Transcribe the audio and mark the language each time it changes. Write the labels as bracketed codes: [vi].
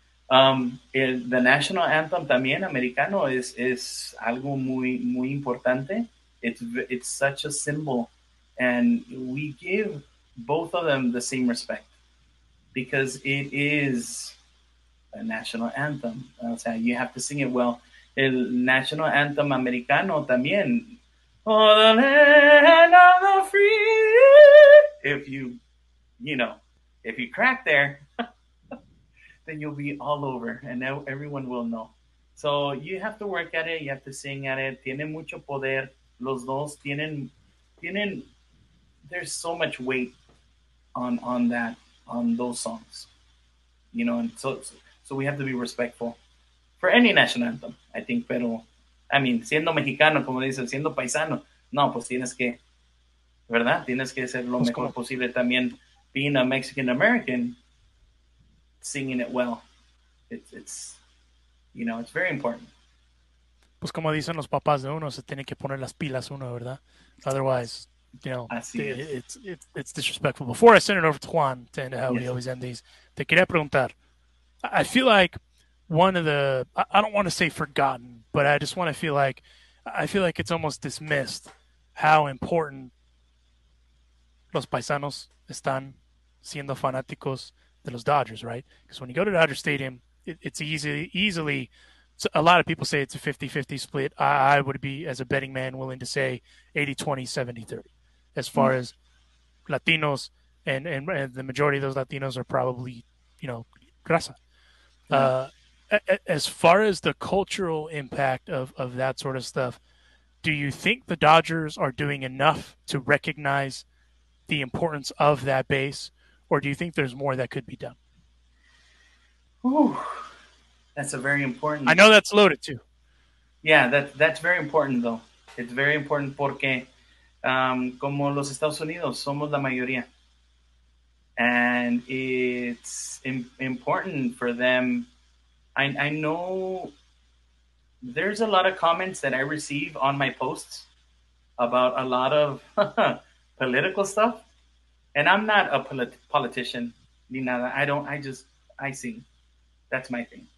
[en] The national anthem [es] también americano is algo muy, muy importante. [en] It's such a symbol. And we give both of them the same respect because it is a national anthem. [es] O sea, [en] you have to sing it well. [es] El national anthem americano también. [en] Oh, the land of the free. If you crack there, then you'll be all over and everyone will know. So you have to work at it. You have to sing at it. [es] Tienen mucho poder. Los dos tienen, [en] there's so much weight on those songs, you know, and so we have to be respectful for any national anthem, I think. [es] Pero, I mean, siendo mexicano, como dicen, siendo paisano, no, pues tienes que, ¿verdad? Tienes que ser lo mejor posible también. [en] Being a Mexican-American, singing it well, it's, you know, it's very important. [es] Pues como dicen los papás de uno, se tiene que poner las pilas uno, ¿verdad? [en] Otherwise, you know, it's disrespectful. Before I send it over to Juan, to end how yes. We always end these, [es] te quería preguntar. [en] I feel like one of the, I don't want to say forgotten, but I just want to feel like, I feel like it's almost dismissed how important [es] los paisanos están siendo fanáticos de los Dodgers, [en] right? Because when you go to Dodger Stadium, it's easily, a lot of people say it's a 50-50 split. I would be, as a betting man, willing to say 80-20, 70-30, as far as Latinos, and the majority of those Latinos are probably, you know, raza. As far as the cultural impact of that sort of stuff, do you think the Dodgers are doing enough to recognize the importance of that base, or do you think there's more that could be done? Ooh, that's a very important. I know that's loaded too. Yeah, that's very important though. It's very important [es] porque como los Estados Unidos somos la mayoría. [en] And it's important for them. I know there's a lot of comments that I receive on my posts about a lot of political stuff. And I'm not a politician, [es] ni nada. [en] I sing. That's my thing.